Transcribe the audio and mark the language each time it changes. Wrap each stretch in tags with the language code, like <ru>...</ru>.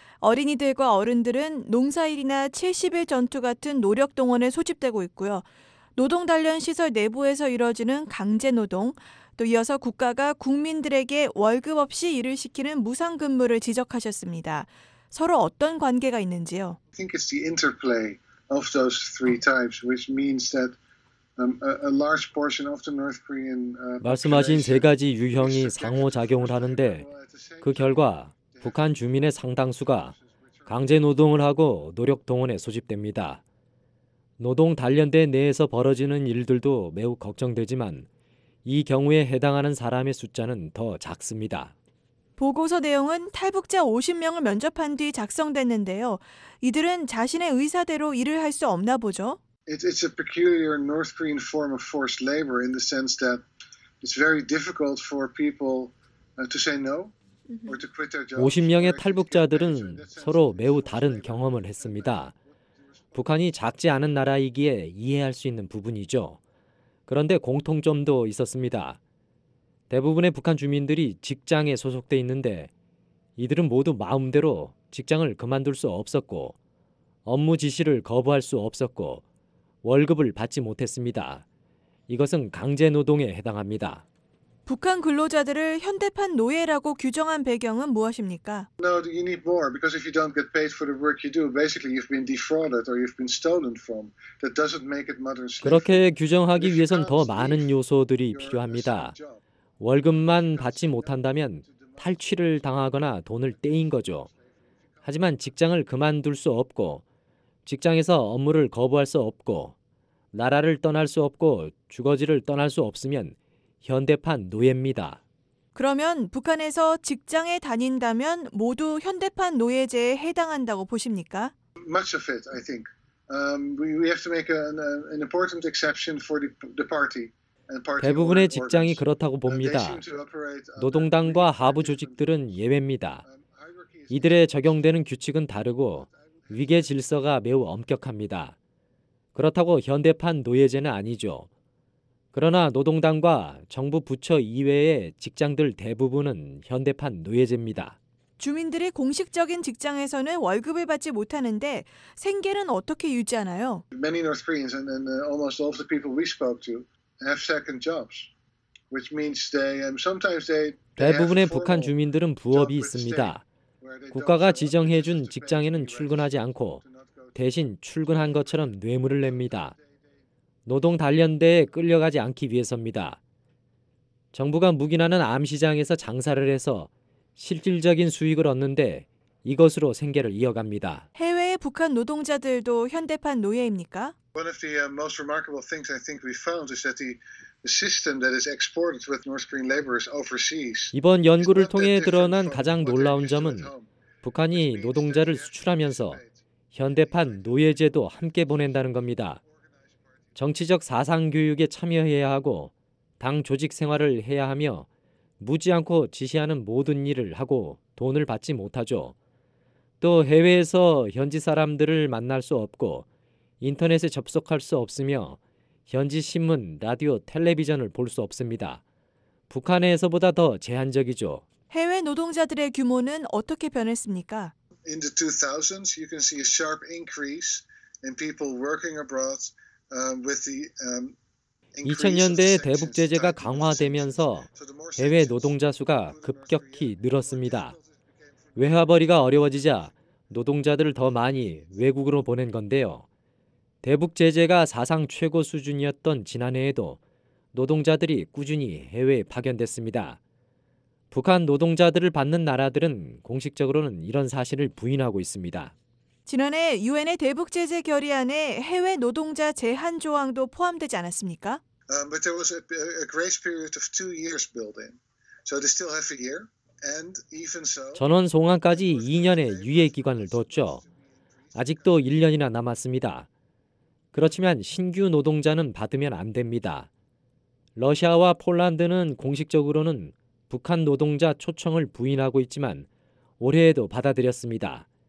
<ko>어린이들과 어른들은 농사일이나 70일 전투 같은 노력 동원에 소집되고 있고요. 노동 단련 시설 내부에서 이뤄지는 강제노동, 또 이어서 국가가 국민들에게 월급 없이 일을 시키는 무상근무를 지적하셨습니다. 서로 어떤 관계가 있는지요?</ko> <en>I think it's the interplay of those three types, which means that a large portion of the North Korean</en> <ko>말씀하신 세 가지 유형이 상호작용을 하는데 그 결과 북한 주민의 상당수가 강제노동을 하고 노력 동원에 소집됩니다. 노동 단련대 내에서 벌어지는 일들도 매우 걱정되지만 이 경우에 해당하는 사람의 숫자는 더 작습니다. 보고서 내용은 탈북자 50명을 면접한 뒤 작성됐는데요. 이들은 자신의 의사대로 일을 할 수 없나 보죠?</ko> <en>It's a peculiar North Korean form of forced labor in the sense that it's very difficult for people to say no or to quit their jobs.</en> <ko>50명의 탈북자들은 서로 매우 다른 경험을 했습니다. 북한이 작지 않은 나라이기에 이해할 수 있는 부분이죠. 그런데 공통점도 있었습니다. 대부분의 북한 주민들이 직장에 소속돼 있는데 이들은 모두 마음대로 직장을 그만둘 수 없었고 업무 지시를 거부할 수 없었고 월급을 받지 못했습니다. 이것은 강제노동에 해당합니다. 북한 근로자들을 현대판 노예라고 규정한 배경은 무엇입니까?</ko> <en>No, you need more because if you don't get paid for the work you do, basically you've been defrauded or you've been stolen from. That doesn't make it modern slavery.</en> <ko>그렇게 규정하기 위해선 더 많은 요소들이 필요합니다. 월급만 받지 못한다면 탈취를 당하거나 돈을 떼인 거죠. 하지만 직장을 그만둘 수 없고 직장에서 업무를 거부할 수 없고 나라를 떠날 수 없고 주거지를 떠날 수 없으면 현대판 노예입니다. 그러면 북한에서 직장에 다닌다면 모두 현대판 노예제에 해당한다고 보십니까?</ko> <en>Much of it, I think. We have to make an important exception for the party.</en> <ko>대부분의 직장이 그렇다고 봅니다. 노동당과 하부 조직들은 예외입니다. 이들의 적용되는 규칙은 다르고 위계 질서가 매우 엄격합니다. 그렇다고 현대판 노예제는 아니죠. 그러나 노동당과 정부 부처 이외의 직장들 대부분은 현대판 노예제입니다. 주민들이 공식적인 직장에서는 월급을 받지 못하는데 생계는 어떻게 유지하나요?</ko> <en>Many North Koreans and almost all of the people we spoke to have second jobs, which means they</en> <ko>대부분의 북한 주민들은 부업이 있습니다. 국가가 지정해준 직장에는 출근하지 않고 대신 출근한 것처럼 뇌물을 냅니다. 노동 단련대에 끌려가지 않기 위해서입니다. 정부가 묵인하는 암시장에서 장사를 해서 실질적인 수익을 얻는데 이것으로 생계를 이어갑니다. 해외의 북한 노동자들도 현대판 노예입니까?</ko> <en>One of the most remarkable things I think we found is that the system that is exported with North Korean laborers overseas.</en> <ko>이번 연구를 통해 드러난 가장 놀라운 점은 북한이 노동자를 수출하면서 현대판 노예제도 함께 보낸다는 겁니다. 정치적 사상 교육에 참여해야 하고 당 조직 생활을 해야 하며 묻지 않고 지시하는 모든 일을 하고 돈을 받지 못하죠. 또 해외에서 현지 사람들을 만날 수 없고 인터넷에 접속할 수 없으며 현지 신문, 라디오, 텔레비전을 볼 수 없습니다. 북한에서보다 더 제한적이죠. 해외 노동자들의 규모는 어떻게 변했습니까?</ko> <en>In the 2000s, you can see a sharp increase in people working abroad with the</en> <ko>2000년대에 대북 제재가 강화되면서 해외 노동자 수가 급격히 늘었습니다. 외화벌이가 어려워지자 노동자들을 더 많이 외국으로 보낸 건데요. 대북 제재가 사상 최고 수준이었던 지난해에도 노동자들이 꾸준히 해외에 파견됐습니다. 북한 노동자들을 받는 나라들은 공식적으로는 이런 사실을 부인하고 있습니다. 지난해 UN의 대북 제재 결의안에 해외 노동자 제한 조항도 포함되지 않았습니까?</ko> <en>But there was a grace period of 2 years built in. So they still have a year. And even so,</en> <ko>전원 송환까지 2년의 유예 기간을 뒀죠. 아직도 1년이나 남았습니다. 그렇지만 신규 노동자는 받으면 안 됩니다. 러시아와 폴란드는 공식적으로는 북한 노동자 초청을 부인하고 있지만 올해에도 받아들였습니다.</ko>